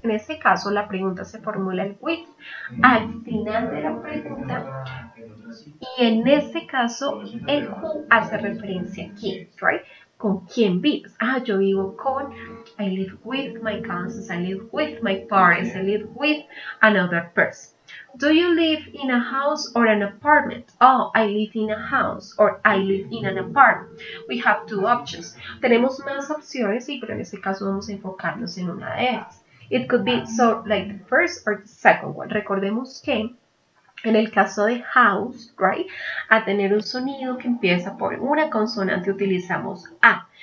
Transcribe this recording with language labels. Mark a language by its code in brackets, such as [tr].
[es] En este caso, la pregunta se formula el with al final de la pregunta, y en este caso, el who hace referencia a quién, right? ¿Con quién vives? Ah, yo vivo con, [en] I live with my cousins, I live with my parents, I live with another person. Do you live in a house or an apartment? Oh, I live in a house or I live in an apartment. We have two options. [es] Tenemos más opciones, sí, pero en este caso vamos a enfocarnos en una de ellas. [en] It could be so like the first or the second one. [es] Recordemos que en el caso de house, right, a tener un sonido que empieza por una consonante utilizamos a.